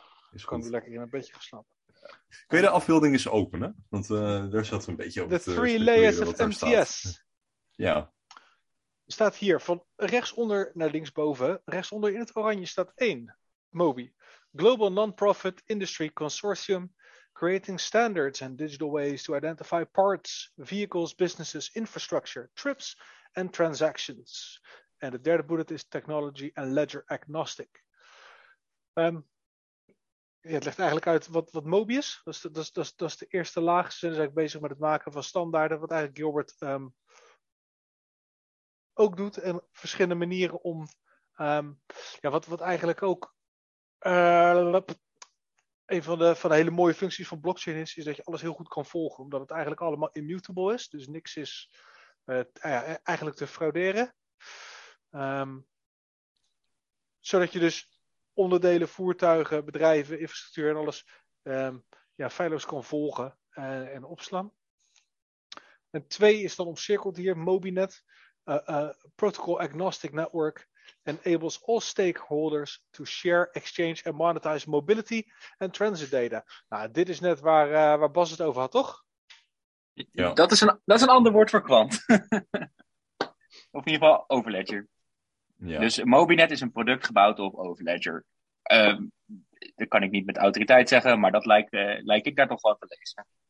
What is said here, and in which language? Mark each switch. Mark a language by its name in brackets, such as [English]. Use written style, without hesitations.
[Dutch] Is goed. Kan lekker in een beetje geslapen. Kun je de afbeelding eens openen? Want daar zat een beetje over de [English] three layers of MTS. [Dutch] Ja. Staat hier, van rechtsonder naar linksboven. Rechtsonder in het oranje staat 1. [English] MOBI. Global Non-Profit Industry Consortium. Creating standards and digital ways to identify parts, vehicles, businesses, infrastructure, trips and transactions. [Dutch] En de derde bullet is [English] technology and ledger agnostic. [Dutch] Het legt eigenlijk uit wat MOBI is. Dat is de eerste laag. Ze zijn eigenlijk bezig met het maken van standaarden. Wat eigenlijk Gilbert ook doet. En verschillende manieren om... een van de hele mooie functies van blockchain is dat je alles heel goed kan volgen. Omdat het eigenlijk allemaal immutable is. Dus niks is eigenlijk te frauderen. Zodat je dus onderdelen, voertuigen, bedrijven, infrastructuur en alles feilloos kan volgen en opslaan. En twee is dan omcirkeld hier, MobiNet, Protocol Agnostic Network. [English] Enables all stakeholders to share, exchange and monetize mobility and transit data. [Dutch] Nou, dit is net waar Bas het over had, toch? Ja. Dat is een ander woord voor kwant. Of in ieder geval Overledger. Ja. Dus MobiNet is een product gebouwd op Overledger. Dat kan ik niet met autoriteit zeggen, maar dat lijkt ik daar toch wel te lezen.